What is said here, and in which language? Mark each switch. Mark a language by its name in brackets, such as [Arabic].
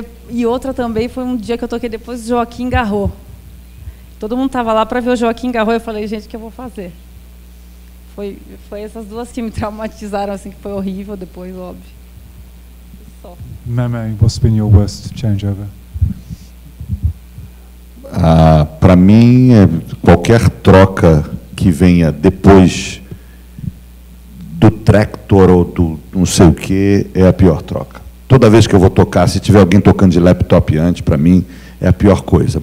[Portuguese] E outra também foi um dia que eu toquei depois de Joaquim Garro. Todo mundo estava lá para ver o Joaquim Garro, eu falei, gente, o que eu vou fazer? Foi essas duas que me traumatizaram, assim, que foi horrível depois, óbvio. Só. [English] Meme, what's been your worst changeover? [Portuguese] Para mim, qualquer troca que venha depois do tractor ou do não sei o que é a pior troca. Toda vez que eu vou tocar, se tiver alguém tocando de laptop antes, para mim, é a pior coisa.